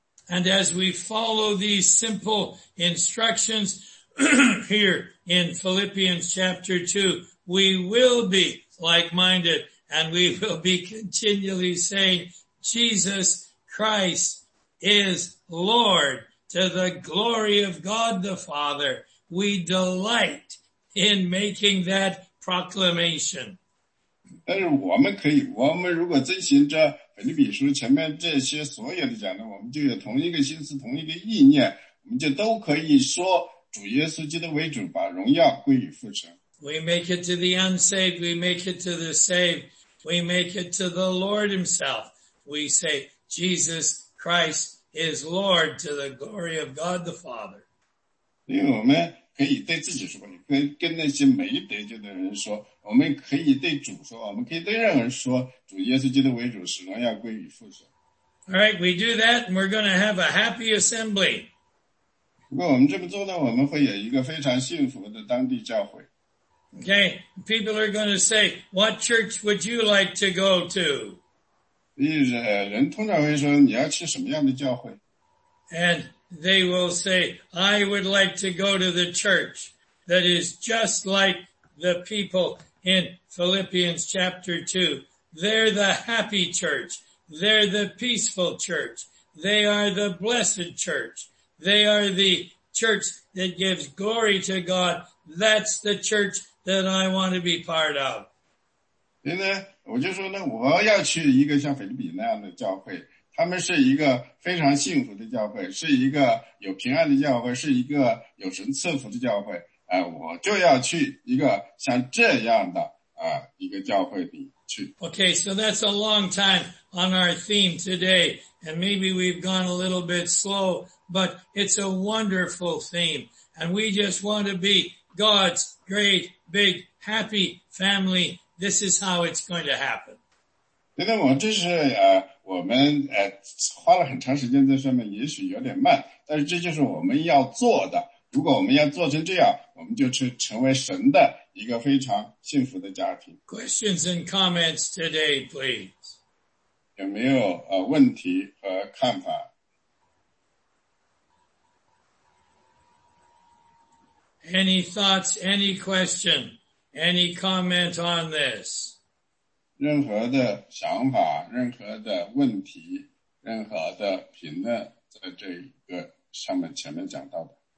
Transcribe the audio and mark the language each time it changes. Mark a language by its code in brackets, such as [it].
[en] And as we follow these simple instructions, here in Philippians chapter 2, we will be like-minded and we will be continually saying, Jesus Christ is Lord to the glory of God the Father. We delight in making that proclamation. [zh] 但是我们可以，我们如果遵循着腓立比书前面这些所有的讲的，我们就有同一个心思，同一个意念，我们就都可以说主耶稣基督为主，把荣耀归于父神。 [en] We make it to the unsaved, we make it to the saved, we make it to the Lord himself. We say, Jesus Christ is Lord to the glory of God the Father. [zh] 因为我们可以对自己说，跟那些没得救的人说，我们可以对主说，我们可以对任何人说，主耶稣基督为主，使荣耀归于父神。 [en] All right, we do that and we're going to have a happy assembly. [zh] 如果我们这么做呢，我们会有一个非常幸福的当地教会。 [en] Okay, people are going to say, what church would you like to go to? [zh] 人通常会说，你要去什么样的教会？ [en] And they will say, I would like to go to the church that is just like the people in Philippians chapter 2. They're the happy church. They're the peaceful church. They are the blessed church. They are the church that gives glory to God. That's the church that I want to be part of. [zh] 因为呢，我就说呢，我要去一个像腓立比那样的教会，他们是一个非常幸福的教会，是一个有平安的教会，是一个有神赐福的教会。我就要去一个像这样的一个教会里去。 [en] Okay, so that's a long time on our theme today, and maybe we've gone a little bit slow, but it's a wonderful theme, and we just want to be God's great, big, happy family. This is how it's going to happen. [zh] 今天我们这是我们花了很长时间在上面，也许有点慢，但是这就是我们要做的。如果我们要做成这样，我们就去成为神的一个非常幸福的家庭。 [en] Questions and comments today, please. [zh] 有没有问题和看法？ [en] Any thoughts, any question, any comment on this? [zh] 任何的想法，任何的问题，任何的评论，在这一个上面前面讲到的。